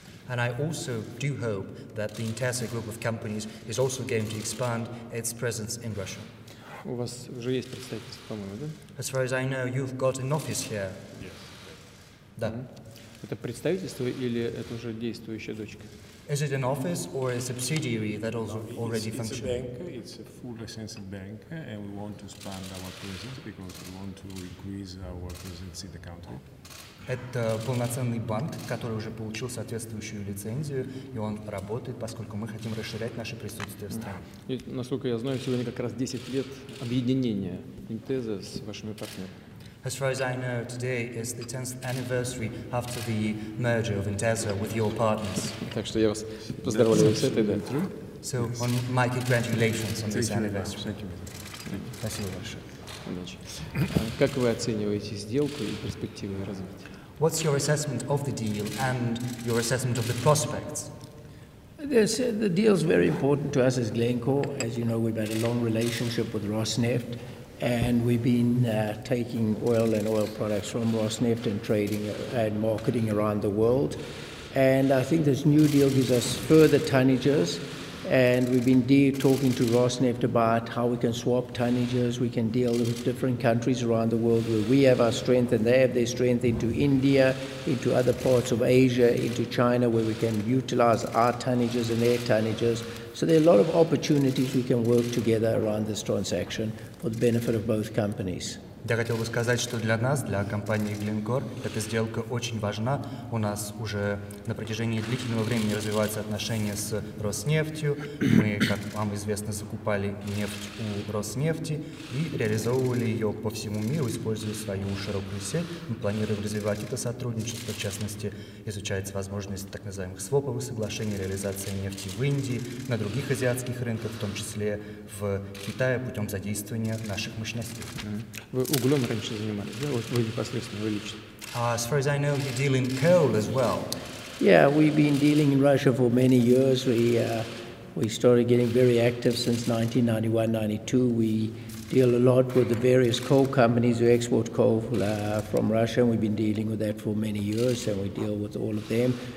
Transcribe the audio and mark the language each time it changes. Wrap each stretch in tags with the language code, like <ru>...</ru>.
<en>And I also do hope that the Intesa group of companies is also going to expand its presence in Russia.</en> <ru>У вас уже есть представительство, по-моему, да?</ru> <en>As far as I know, you've got an office here. Yes.</en> <ru>Да. Это представительство или это уже действующая дочка?</ru> <en>Is it an office or a subsidiary that also already functions? It's a bank. It's a full licensed bank, and we want to expand our presence because we want to increase our presence in the country.</en> <ru>Это полноценный банк, который уже получил соответствующую лицензию, и он работает, поскольку мы хотим расширять наше присутствие в стране. И, насколько я знаю, сегодня как раз 10 лет объединения Intesa с вашими партнерами.</ru> <en>As far as I know, today is the 10th anniversary after the merger of Intesa with your partners.</en> <ru>Так что я вас поздравляю с этой датой.</ru> <en>So, on my congratulations on this anniversary. Thank you very much.</en> <ru>Спасибо большое. Как вы оцениваете сделку и перспективы развития?</ru> <en>What's your assessment of the deal and your assessment of the prospects? The deal is very important to us as Glencore. As you know, we've had a long relationship with Rosneft, and we've been taking oil and oil products from Rosneft and trading and marketing around the world. And I think this new deal gives us further tonnages. And we've been talking to Rosneft about how we can swap tonnages, we can deal with different countries around the world where we have our strength and they have their strength into India, into other parts of Asia, into China, where we can utilize our tonnages and their tonnages. So there are a lot of opportunities we can work together around this transaction for the benefit of both companies.</en> <ru>Я хотел бы сказать, что для нас, для компании Glencore, эта сделка очень важна. У нас уже на протяжении длительного времени развиваются отношения с Роснефтью. Мы, как вам известно, закупали нефть у Роснефти и реализовывали ее по всему миру, используя свою широкую сеть. Мы планируем развивать это сотрудничество. В частности, изучается возможность так называемых своповых соглашений, реализации нефти в Индии, на других азиатских рынках, в том числе в Китае, путем задействования наших мощностей. Углем раньше занимались, да? Вот вы непосредственно, вы лично.</ru> <en>As far as I know, you deal in coal as well. Yeah, we've been dealing in Russia for many years. We We started getting very active since 1991-92. We deal a lot with the various coal companies who export coal from Russia, and we've been dealing with that for many years, and we deal with all of them.</en>